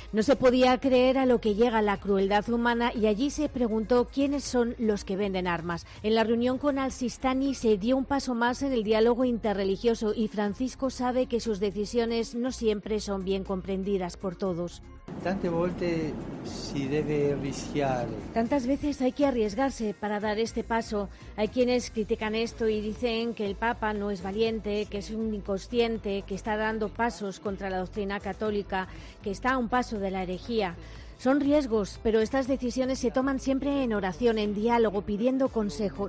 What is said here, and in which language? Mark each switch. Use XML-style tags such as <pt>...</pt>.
<es>No se podía creer a lo que llega la crueldad humana y allí se preguntó quiénes son los que venden armas. En la reunión con al-Sistani se dio un paso más en el diálogo interreligioso y Francisco sabe que sus decisiones no siempre son bien comprendidas por todos.</es> <it>Tante volte si deve rischiare.</it> <es>Tantas veces hay que arriesgarse para dar este paso. Hay quienes critican esto y dicen que el Papa no es valiente, que es un inconsciente, que está dando pasos contra la doctrina católica, que está a un paso de la herejía. Son riesgos, pero estas decisiones se toman siempre en oración, en diálogo, pidiendo consejo.</es>